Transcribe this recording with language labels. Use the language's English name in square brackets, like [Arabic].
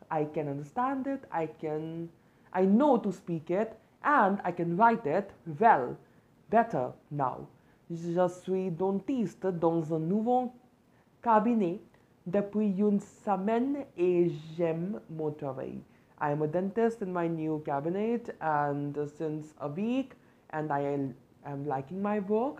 [English] I can understand it, I know to speak it, and I can write it well, better now. [French] Je suis dentiste dans un nouveau cabinet depuis une semaine et j'aime mon travail. [English] I am a dentist in my new cabinet and since a week and I am liking my work.